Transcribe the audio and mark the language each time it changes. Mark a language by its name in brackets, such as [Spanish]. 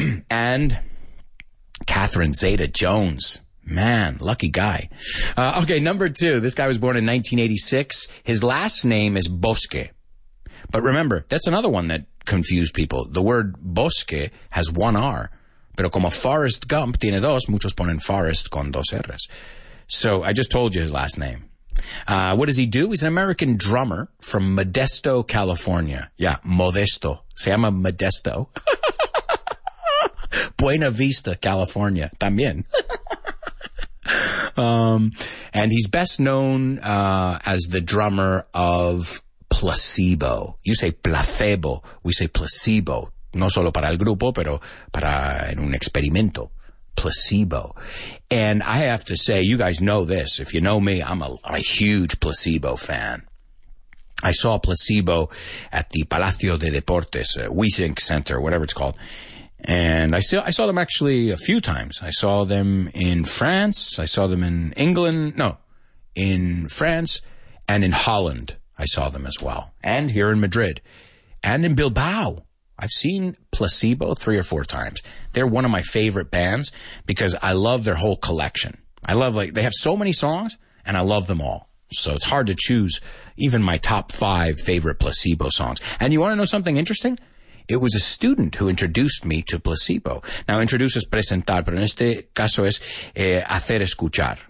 [English] And Catherine Zeta-Jones. Man, lucky guy. Okay, number two. This guy was born in 1986. His last name is Bosque. But remember, that's another one that confused people. The word bosque has one R. [Spanish] Pero como Forrest Gump tiene dos, muchos ponen Forrest con dos R's. [English] So I just told you his last name. What does he do? He's an American drummer from Modesto, California. Yeah, [Spanish] Modesto. Se llama Modesto. Buena Vista, California. También. [English] And he's best known as the drummer of Placebo. You say placebo. We say placebo. [Spanish] No solo para el grupo, pero para en un experimento. Placebo. [English] And I have to say, you guys know this. If you know me, I'm a huge Placebo fan. I saw Placebo at the Palacio de Deportes, WeThink Center, whatever it's called. And I saw them actually a few times. I saw them in France. I saw them in England. No, in France and in Holland. I saw them as well. And here in Madrid. And in Bilbao. I've seen Placebo 3 or 4 times. They're one of my favorite bands because I love their whole collection. I love, like, they have so many songs and I love them all. So it's hard to choose even my top 5 favorite Placebo songs. And you want to know something interesting? It was a student who introduced me to Placebo. Now, introduce is [Spanish] presentar, pero en este caso es hacer escuchar.